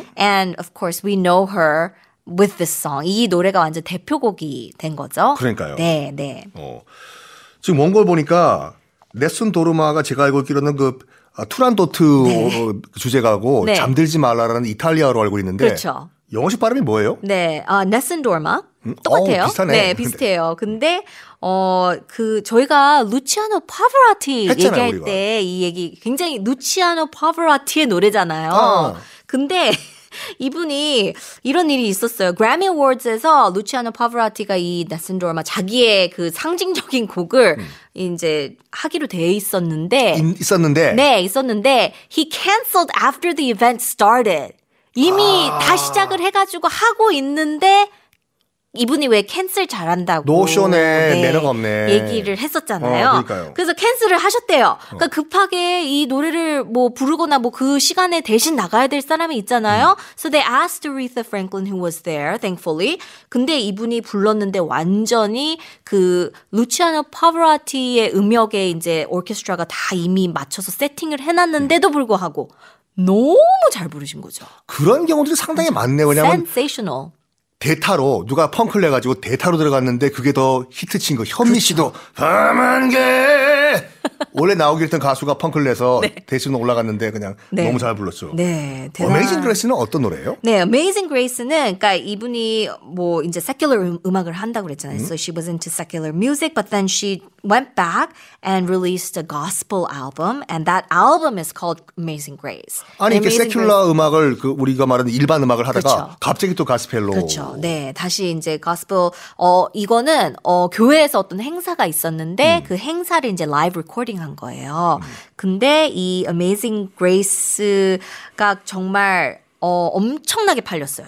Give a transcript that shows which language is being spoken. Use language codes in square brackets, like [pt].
[en] And of course, we know her with this song. [ko] 이 노래가 완전 대표곡이 된 거죠. 그러니까요. 네, 네. 지금 뭔 걸 보니까 넷슨 도르마가 제가 알고 있기로는 그 투란도트 네. 주제가고 네. 잠들지 말라라는 이탈리아어로 알고 있는데 그렇죠. 영어식 발음이 뭐예요? 네, 넷슨 도르마 똑같아요. 비슷하네. 네, 비슷해요. 근데 그 저희가 루치아노 파바로티 얘기할 우리가. 때 이 얘기 굉장히 루치아노 파바로티의 노래잖아요. 근데 이분이 이런 일이 있었어요. Grammy Awards에서 루치아노 파바로티가 이 넷슨 도르마 자기의 그 상징적인 곡을 이제 하기로 돼 있었는데 있었는데 네 있었는데 [en] he canceled after the event started. [ko] 이미 다 시작을 해가지고 하고 있는데 이분이 왜 캔슬 잘한다고 노션에 매력 없네 얘기를 했었잖아요. 그러니까요. 그래서 캔슬을 하셨대요. 그러니까 급하게 이 노래를 뭐 부르거나 뭐 그 시간에 대신 나가야 될 사람이 있잖아요. [en] So they asked Aretha Franklin who was there, thankfully. [ko] 근데 이분이 불렀는데 완전히 그 루치아노 파바로티의 음역에 이제 오케스트라가 다 이미 맞춰서 세팅을 해놨는데도 불구하고 너무 잘 부르신 거죠. 그런 경우들이 상당히 많네요. 왜냐면 [en] sensational. [ko] 대타로 누가 펑크를 해가지고 대타로 들어갔는데 그게 더 히트친 거. 현미 씨도 험한 게 원래 나오기로 했던 가수가 펑크를 해서 네. 대신 올라갔는데 그냥 네. 너무 잘 불렀죠. 네. 어메이징 그레이스는 어떤 노래예요? 네. 어메이징 그레이스는 그러니까 이분이 뭐 이제 secular 음악을 한다고 그랬잖아요. [en] 음? So she was into secular music but then she went back and released a gospel album and that album is called Amazing Grace. [ko] 아니 Amazing 이렇게 secular Grace. 음악을 그 우리가 말하는 일반 음악을 하다가 그렇죠. 갑자기 또 가스펠로. 그렇죠. 네. 다시 이제 gospel 이거는 교회에서 어떤 행사가 있었는데 그 행사를 이제 라이브 recording 한 거예요. 근데 이 Amazing Grace가 정말 엄청나게 팔렸어요.